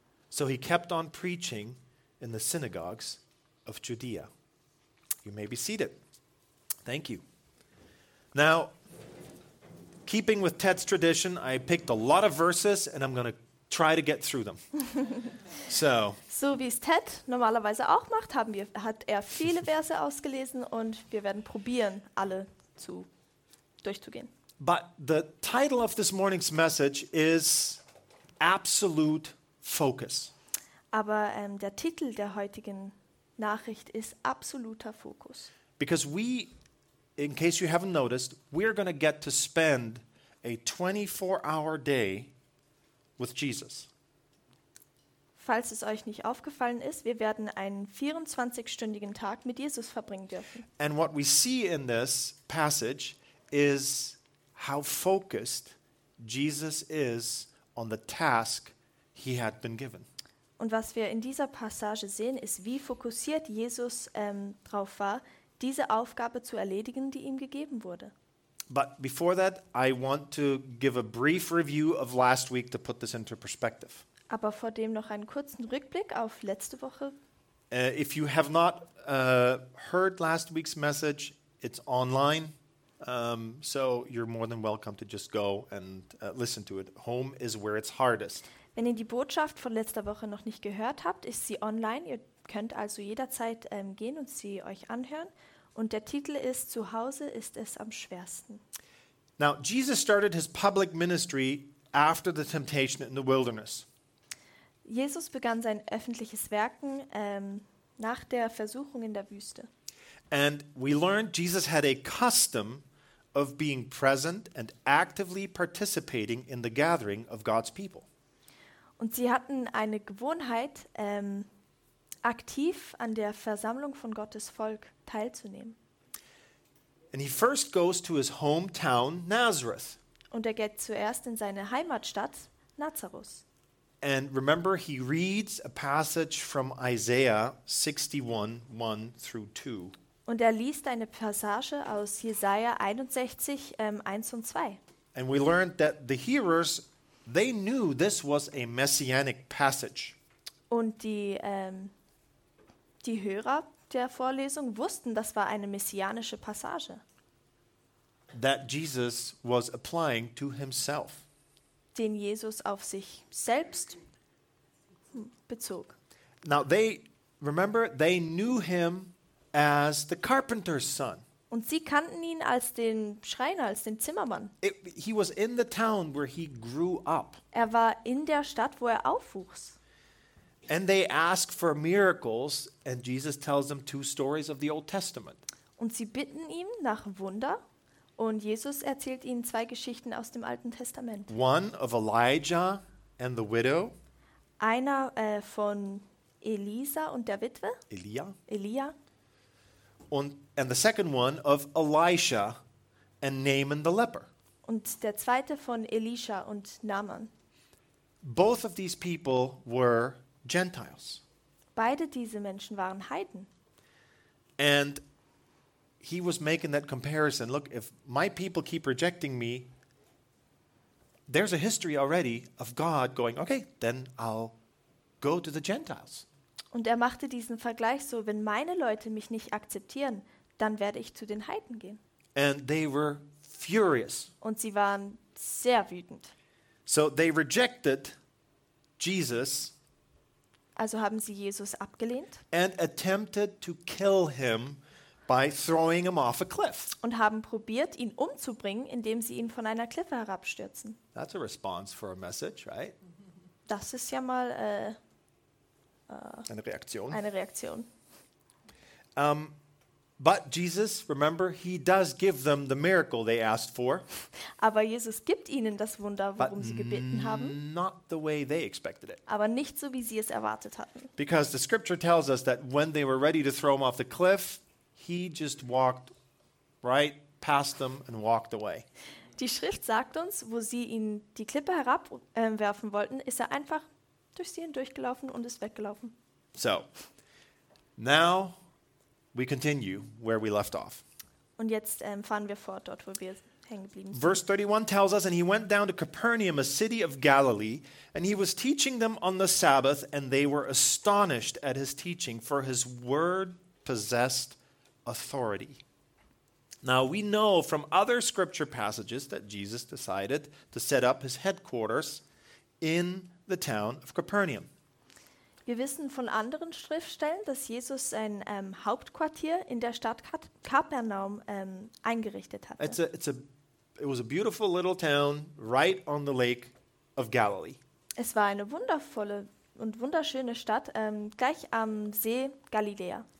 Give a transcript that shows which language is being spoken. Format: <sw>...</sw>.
<en>So he kept on preaching in the synagogues of Judea. You may be seated. Thank you. Now, keeping with Ted's tradition, I picked a lot of verses, and I'm going to try to get through them.</en> <de>So wie es Ted normalerweise auch macht, hat er viele Verse ausgelesen, und wir werden probieren, alle durchzugehen.</de> <en>But the title of this morning's message is Absolute Focus.</en> <de>Aber der Titel der heutigen Nachricht ist Absoluter Fokus.</de> <en>Because we, in case you haven't noticed, we're going to get to spend a 24-hour day with Jesus.</en> <de>Falls es euch nicht aufgefallen ist, wir werden einen 24-stündigen Tag mit Jesus verbringen dürfen.</de> <en>And what we see in this passage is how focused Jesus is on the task he had been given.</en> <de>Und was wir in dieser Passage sehen, ist, wie fokussiert Jesus drauf war, diese Aufgabe zu erledigen, die ihm gegeben wurde.</de> <en>But before that, I want to give a brief review of last week to put this into perspective.</en> <de>Aber vor dem noch einen kurzen Rückblick auf letzte Woche.</de> <en>If you have not heard last week's message, it's online. So you're more than welcome to just go and listen to it. Home is where it's hardest.</en> <de>Wenn ihr die Botschaft von letzter Woche noch nicht gehört habt, ist sie online. Ihr könnt also jederzeit gehen und sie euch anhören. Und der Titel ist "Zu Hause ist es am schwersten."</de> <en>Now Jesus started his public ministry after the temptation in the wilderness.</en> <de>Jesus begann sein öffentliches Werken nach der Versuchung in der Wüste.</de> <en>And we learned Jesus had a custom of being present and actively participating in the gathering of God's people.</en> <de>Und sie hatten eine Gewohnheit, aktiv an der Versammlung von Gottes Volk teilzunehmen.</de> <en>And he first goes to his hometown Nazareth.</en> <de>Und geht zuerst in seine Heimatstadt Nazareth.</de> <en>And remember, he reads a passage from Isaiah 61, 1 through 2.</en> <de>Und liest eine Passage aus Jesaja 61, 1 und 2.</de> <en>And we learned that the hearers, they knew this was a messianic passage.</en> <de>Und die Hörer der Vorlesung wussten, das war eine messianische Passage.</de> <en>That Jesus was applying to himself.</en> <de>Den Jesus auf sich selbst bezog.</de> <en>Now they, remember, they knew him as the carpenter's son.</en> <de>Und sie kannten ihn als den Schreiner, als den Zimmermann.</de> <en>He was in the town where he grew up.</en> <de>Er war in der Stadt, wo er aufwuchs.</de> <en>And they ask for miracles, and Jesus tells them two stories of the Old Testament.</en> <de>Und sie bitten ihn nach Wunder, und Jesus erzählt ihnen zwei Geschichten aus dem Alten Testament.</de> <en>One of Elijah and the widow.</en> <de>Einer von Elisa und der Witwe. Elia.</de> <en>And the second one of Elisha and Naaman the leper.</en> <de>Und der zweite von Elisha und Naaman.</de> <en>Both of these people were Gentiles.</en> <de>Beide diese Menschen waren Heiden.</de> <en>And he was making that comparison. Look, if my people keep rejecting me, there's a history already of God going, okay, then I'll go to the Gentiles.</en> <de>Und er machte diesen Vergleich so, wenn meine Leute mich nicht akzeptieren, dann werde ich zu den Heiden gehen.</de> <en>And they were furious.</en> <de>Und sie waren sehr wütend.</de> <en>So they rejected Jesus.</en> <de>Also haben sie Jesus abgelehnt.</de> <en>And attempted to kill him by throwing him off a cliff.</en> <de>Und haben probiert, ihn umzubringen, indem sie ihn von einer Klippe herabstürzen.</de> <en>That's a response for a message, right?</en> <de>Das ist ja mal eine Reaktion. Eine Reaktion.</de> <en>But Jesus, remember, he does give them the miracle they asked for.</en> <de>Aber Jesus gibt ihnen das Wunder, worum sie gebeten haben.</de> <en>Not the way they expected it.</en> <de>Aber nicht so, wie sie es erwartet hatten.</de> <en>Because the scripture tells us that when they were ready to throw him off the cliff, he just walked right past them and walked away.</en> <de>Die Schrift sagt uns, wo sie ihn die Klippe herabwerfen wollten, ist er einfach durch sie hindurchgelaufen und ist weggelaufen.</de> <en>So, now we continue where we left off.</en> <de>Und jetzt fahren wir fort, dort, wo wir hängen geblieben sind.</de> <en>Verse 31 tells us, and he went down to Capernaum, a city of Galilee, and he was teaching them on the Sabbath, and they were astonished at his teaching, for his word possessed authority. Now we know from other scripture passages that Jesus decided to set up his headquarters in the town of Capernaum.</en> <de>Wir wissen von anderen Schriftstellen, dass Jesus sein Hauptquartier in der Stadt Kapernaum eingerichtet hatte.</de> <en>It was a beautiful little town right on the lake of Galilee.</en> <de>Es war eine wundervolle und wunderschöne Stadt gleich am See Galiläa.</de>